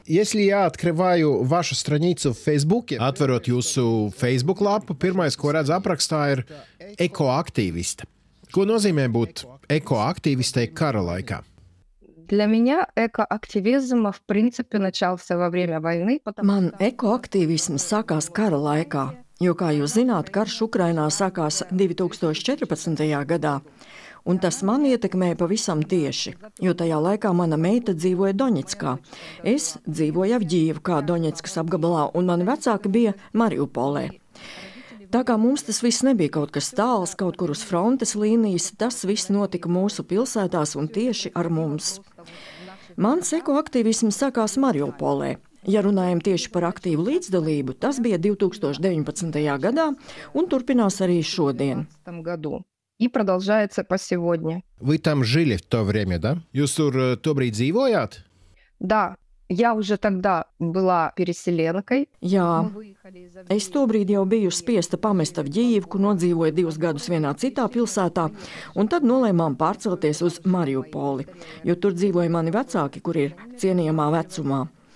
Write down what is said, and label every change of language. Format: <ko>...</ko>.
<ru>Если я открываю вашу страницу в Фейсбуке...</ru> <lv>Atverot jūsu Facebook lapu, pirmais, ko redz aprakstā, ir ekoaktīvista. Ko nozīmē būt ekoaktīvistei kara laikā?</lv> <ru>Для меня экоактивизм в принципе начался во время войны, потому</ru> <lv>Man ekoaktīvisms sākās kara laikā, jo kā jūs zināt, karš Ukrainā sākās 2014. Gadā. Un tas man ietekmēja pavisam tieši, jo tajā laikā mana meita dzīvoja Doņeckā. Es dzīvoju Avģīvkā Doņeckas apgabalā un mani vecāki bija Mariupolē. Tā kā mums tas viss nebija kaut kas tāls, kaut kur uz frontes līnijas, tas viss notika mūsu pilsētās un tieši ar mums. Mans ekoaktīvisms sākās Mariupolē. Ja runājam tieši par aktīvu līdzdalību, tas bija 2019. Gadā un turpinās arī šodien.</lv> <ru>И продолжается по сегодня. Вы там жили в то время, да?</ru> <lv>Jūs tur tobrīd dzīvojāt?</lv> <ru>Да. Я уже тогда была переселенкой.</ru> <lv>Jā. Es tobrīd jau biju spiesta pamest Avģīvku, nodzīvoju divus gadus vienā citā pilsētā, un tad nolēmām pārcelties uz Mariupoli, jo tur dzīvoja mani vecāki, kuri ir cienījamā vecumā.</lv>